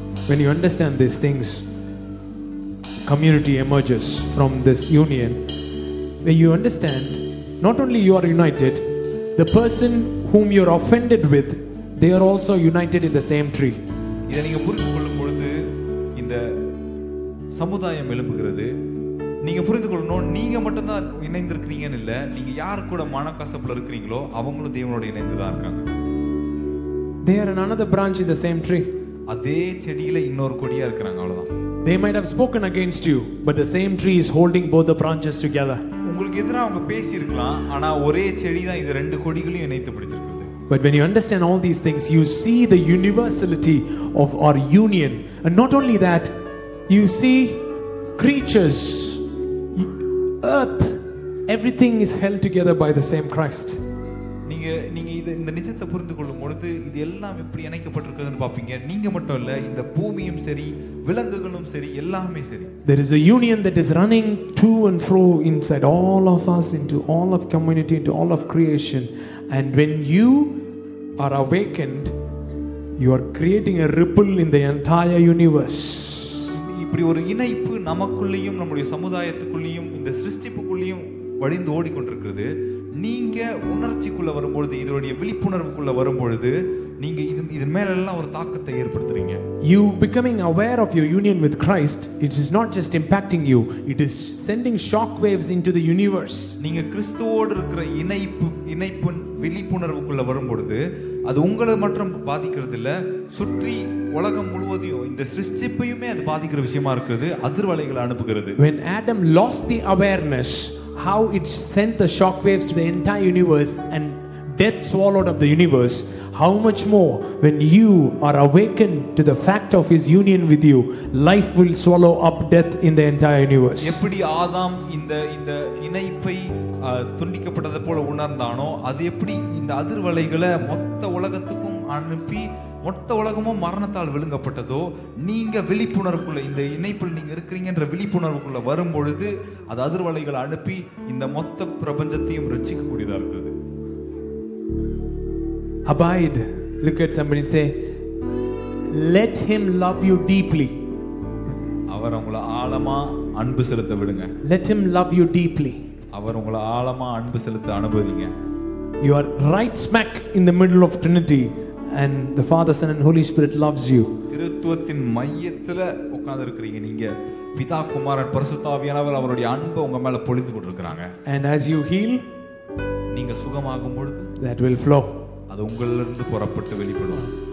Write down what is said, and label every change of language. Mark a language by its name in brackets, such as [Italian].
[English] When you understand these things, community emerges from this union. When you understand, not only you are united, the person whom you are offended with, they are also united in the same tree. [Tamil] இதை நீங்க புரிந்து கொள்ளும் பொழுது இந்த சமுதாயம் எழும்புகிறது. நீங்க புரிந்து கொள்ளணும், நீங்க மட்டும்தான் இணைந்திருக்கிறீங்கன்னு இல்லை, நீங்க யார் கூட மனக்கசப்புல இருக்கிறீங்களோ அவங்களும் தேவனோட இணைந்து தான் இருக்காங்க. [English] They are another branch in the same tree. [Tamil] அதே செடியில இன்னொரு கொடியா இருக்காங்க, அவ்வளவுதான். [English] They might have spoken against you, but the same tree is holding both the branches together. [Tamil] உங்களுக்கு எதிரா அவங்க பேசி இருக்கலாம், ஆனா ஒரே செடி தான் இந்த ரெண்டு கொடிகளையும் இணைத்து பிடிச்சிருக்குது. [English] But when you understand all these things, you see the universality of our union. And not only that, you see creatures, earth, everything is held together by the same Christ. [Tamil] நீங்க இந்த நிஜத்தை புரிந்து கொள்ளும் பொழுது இது எல்லாம் எப்படி இணைக்கப்பட்டிருக்கிறதுன்னு பாப்பீங்க. நீங்க மட்டும் இல்ல, இந்த பூமியும் சரி விலங்குகளும் சரி எல்லாமே சரி. [English] There is a union that is running to and fro inside all of us, into all of community, into all of creation. And when you are awakened, you are creating a ripple in the entire universe. [Tamil] இப்படி ஒரு இணைப்பு நமக்குள்ளேயும் நம்முடைய சமுதாயத்துக்குள்ளேயும் இந்த சிருஷ்டிப்புக்குள்ளேயும் வழிந்து ஓடிக்கொண்டிருக்கிறது. நீங்க உணர்ச்சிக்குள்ள வரும்பொழுது, இதனுடைய விழிப்புணர்வுக்குள்ள வரும்பொழுது, நீங்க இது மேல எல்லாம் ஒரு தாக்கத்தை ஏற்படுத்துறீங்க. [English] You becoming aware of your union with Christ, it is not just impacting you, it is sending shock waves into the universe. [Tamil] நீங்க கிறிஸ்துவோடு இருக்கிற இணைப்பு விழிப்புணர்வுக்குள்ள வரும்பொழுது அது உங்களை மட்டும் பாதிக்கிறது இல்ல, சுற்றி உலகம் முழுவதையும் இந்த சிருஷ்டிப்பையுமே அது பாதிக்கிற விஷயமா இருக்குது. அதிர்வலைகளை அனுப்புகிறது. [English] When Adam lost the awareness, how it sent the shock waves to the entire universe and death swallowed up the universe, how much more when you are awakened to the fact of his union with you, life will swallow up death in the entire universe. [Tamil] எப்படி ஆதாம் இந்த இணைப்பை துண்டிக்கப்பட்டத போல உணர்ந்தானோ, அது எப்படி இந்த அதிர்வலைகளை மொத்த உலகத்துக்கும் அனுப்பி மொத்த உலகமும் மரணத்தால் விழுங்கப்பட்டதோ, நீங்க விழிப்புணர்வுக்குள்ள இந்த இணைப்பில் நீங்க இருக்கிறீங்கன்ற விழிப்புணர்வுக்குள்ள வரும் பொழுது அது அதிர்வலைகளை அனுப்பி இந்த மொத்த பிரபஞ்சத்தையும் ரட்சிக்க கூடியதா இருக்குது. [English] Abide, look at somebody and say, let him love you deeply. [Tamil] அவர் உங்களை ஆழமா அன்பு செலுத்த விடுங்க. [English] Let him love you deeply. [Tamil] அவர் உங்களை ஆழமா அன்பு செலுத்த அனுபவிங்க. [English] You are right smack in the middle of Trinity. And the Father, Son, and Holy Spirit loves you. [Tamil] திருத்துவத்தின் மையத்துல உட்கார்ந்திருக்கிறீங்க நீங்க. பிதா, குமாரன், பரிசுத்தாவியானவர் அவருடைய அன்பு உங்க மேல பொழிந்து கொண்டிருக்காங்க. [English] And as you heal, [Tamil] நீங்க சுகமாகும் பொழுது [English] that will flow. [Tamil] அது உங்கள்ல இருந்து புறப்பட்டு வெளிப்படும்.